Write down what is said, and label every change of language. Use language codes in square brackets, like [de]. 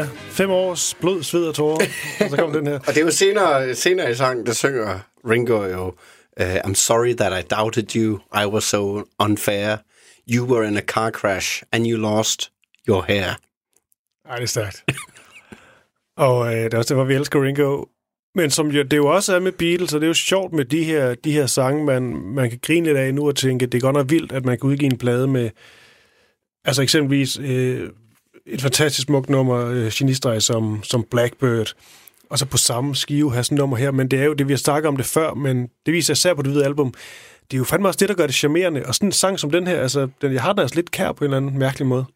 [da] 5 års blod, sved og tårer, og så kom den her. Og det var senere i sangen, der synger Ringo jo, [en] I'm sorry that I doubted you, I was so unfair, you were in a car crash, and you lost your hair. [da] Ej, det er stærkt. Og det er også det, hvor vi elsker Ringo. Men som jo, det jo også er med Beatles, og det er jo sjovt med de her sange, man kan grine lidt af nu og tænke, det er godt nok vildt, at man kan udgive en plade med, altså eksempelvis et fantastisk smukt nummer, Genistrej, som Blackbird, og så på samme skive have sådan et nummer her, men det er jo det, vi har snakket om det før, men det viser især på det hvide album, det er jo fandme også det, der gør det charmerende, og sådan en sang som den her, altså den, jeg har den altså lidt kær på en eller anden mærkelig måde.